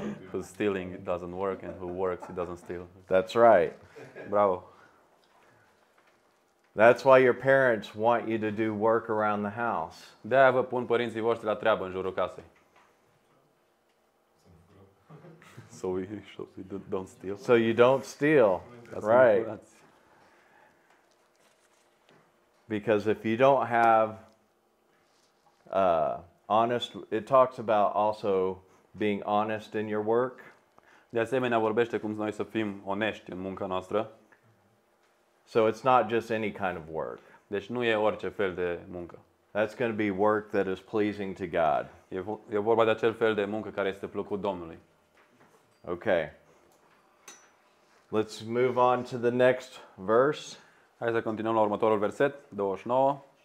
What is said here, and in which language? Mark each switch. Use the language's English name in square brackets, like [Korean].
[English] Who's stealing it doesn't work, and who works it doesn't steal. That's right. Bravo. That's why your parents want you to do work around the house. [Romanian] De-aia vă pun părinții voștri la treabă în jurul casei. [English] So we don't steal. So you don't steal, right? Because if you don't have honest, it talks about also being honest in your work. [Romanian] De asemenea, vorbește cum noi să fim onești în munca noastră. [English] So it's not just any kind of work. [Romanian] Deci nu e orice fel de muncă. [English] That's going to be work that is pleasing to God. [Romanian] E vorba de acel fel de muncă care este plăcut Domnului. [English] Okay. Let's move on to the next verse. [Romanian] Hai să continuăm la următorul verset, 29.